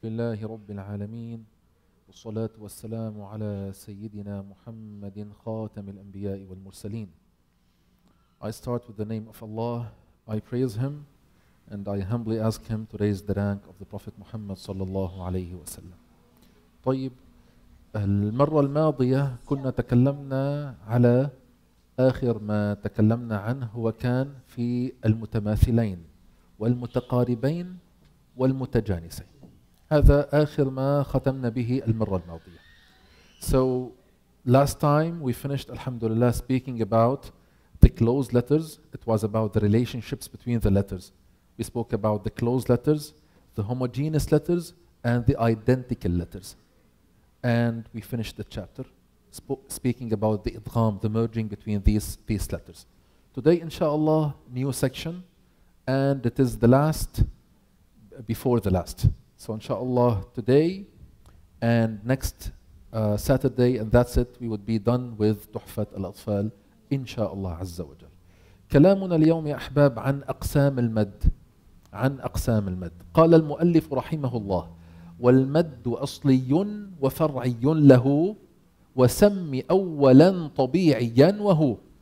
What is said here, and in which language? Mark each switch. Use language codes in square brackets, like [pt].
[ar] لله رب العالمين، والصلاة والسلام على سيدنا محمد خاتم الأنبياء والمرسلين. [en] I start with the name of Allah. I praise Him and I humbly ask Him to raise the rank of the Prophet Muhammad [ar] صلى الله عليه وسلم. طيب، المرة الماضية كنا تكلمنا على آخر ما تكلمنا عنه، وكان في المتماثلين والمتقاربين والمتجانسين. هذا آخر ما ختمنا به المرة الماضية. [en] So last time we finished, alhamdulillah, speaking about the closed letters. It was about the relationships between the letters. We spoke about the closed letters, the homogeneous letters, and the identical letters. And we finished the chapter speaking about the idgham, the merging between these letters. Today, inshallah, new section, and it is the last before the last. So inshallah, today and next Saturday, and that's it, we would be done with Tuhfat al-Atfal, inshallah azza wa jal. [ar] كلامنا اليوم يا أحباب عن أقسام المد. عن أقسام المد. قال المؤلف رحمه الله: والمد أصلي وفرعي له، وسمي أولا طبيعيا وهو.